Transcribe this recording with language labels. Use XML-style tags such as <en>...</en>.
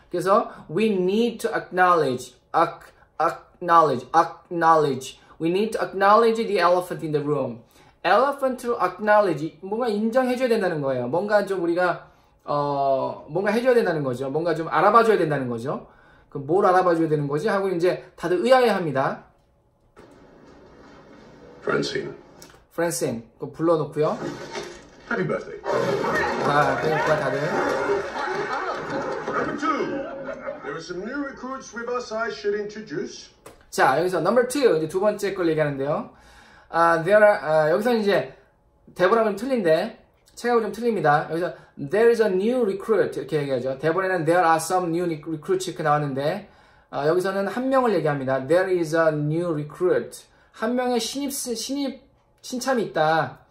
<en>그래서 we need to acknowledge, acknowledge, acknowledge. We need to acknowledge the elephant in the room.</en> <ko>elephant to acknowledge, 뭔가 인정해줘야 된다는 거예요. 뭔가 좀 우리가, 뭔가 해줘야 된다는 거죠. 뭔가 좀 알아봐줘야 된다는 거죠. 그럼 뭘 알아봐줘야 되는 거지? 하고 이제 다들 의아해 합니다.</ko> <en>Francine.</en> <ko>Francine. 그거 불러놓고요.</ko> <en>Happy birthday.</en> <ko>아, 그러니까 다들.</ko> <en>Number two. There are some new recruits with us I should introduce.</en> <ko>자, 여기서 number two. 이제 두 번째 걸 얘기하는데요. 아,</ko> <en>there are,</en> <ko>아, 여기서 이제 대본하고 좀 틀린데 책하고 좀 틀립니다. 여기서</ko> <en>there is a new recruit</en> <ko>이렇게 얘기하죠. 대본에는</ko> <en>there are some new recruits</en> <ko>이렇게 나왔는데 아, 여기서는 한 명을 얘기합니다.</ko> <en>There is a new recruit.</en> <ko>한 명의 신참이 있다.</ko>